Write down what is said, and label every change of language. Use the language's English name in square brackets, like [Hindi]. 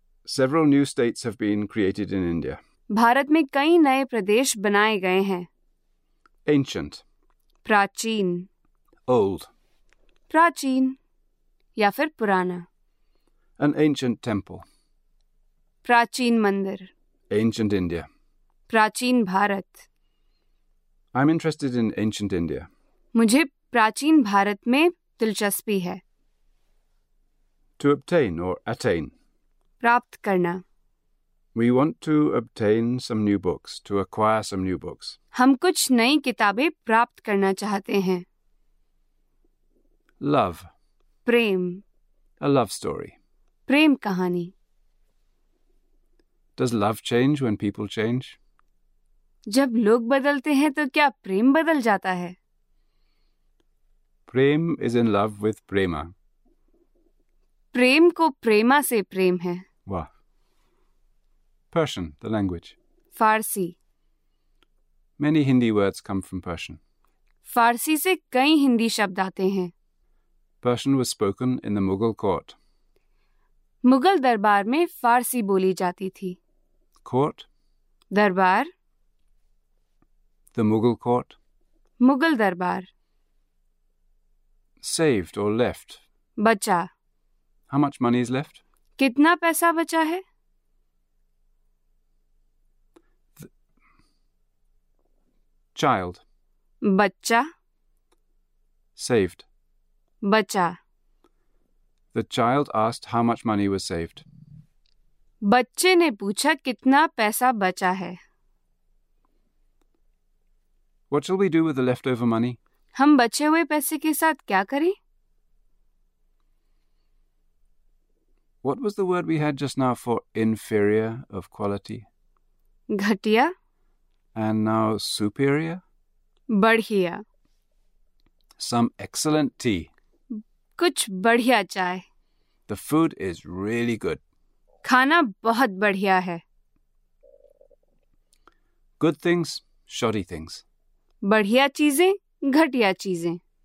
[English] Several new states have been created in India. [Hindi] Bharat में कई नए प्रदेश बनाए गए हैं. [English] Ancient. [Hindi] प्राचीन. [English] Old. [Hindi] प्राचीन या फिर पुराना. [English] An ancient temple. [Hindi] प्राचीन मंदिर. [English] Ancient India. [Hindi] प्राचीन Bharat. [English] I'm interested in ancient India. [Hindi] मुझे प्राचीन भारत में दिलचस्पी है. [English] To obtain or attain. [Hindi] प्राप्त करना. [English] We want to obtain some new books, to acquire some new books. [Hindi] हम कुछ नई किताबें प्राप्त करना चाहते हैं. [English] Love. [Hindi] Prem. [English] A love story. [Hindi] प्रेम कहानी. [English] Does love change when people change? [Hindi] जब लोग बदलते हैं तो क्या प्रेम बदल जाता है? [English] Prem is in love with Prema. [Hindi] प्रेम को प्रेमा से प्रेम है. [English] Wow. Persian, the language. [Hindi] Farsi. [English] Many Hindi words come from Persian. [Hindi] फारसी से कई हिंदी शब्द आते हैं. [English] Persian was spoken in the Mughal court. [Hindi] Mughal दरबार में फारसी बोली जाती थी. [English] Court. [Hindi] दरबार. [English] The Mughal court. [Hindi] मुगल दरबार. [English] Saved or left. [Hindi] बचा. [English] How much money is left? [Hindi] कितना पैसा बचा है? [English] Child. [Hindi] बच्चा. [English] Saved. [Hindi] बचा. [English] The child asked how much money was saved. [Hindi] बच्चे ने पूछा कितना पैसा बचा है. [English] What shall we do with the leftover money? [Hindi] हम बचे हुए पैसे के साथ क्या करें? [English] What was the word we had just now for inferior of quality? [Hindi] घटिया. [English] And now superior? [Hindi] बढ़िया. [English] Some excellent tea. [Hindi] कुछ बढ़िया चाय. [English] The food is really good. [Hindi] खाना बहुत बढ़िया है. [English] Good things, shoddy things. [Hindi] बढ़िया चीजें, घटिया चीजें.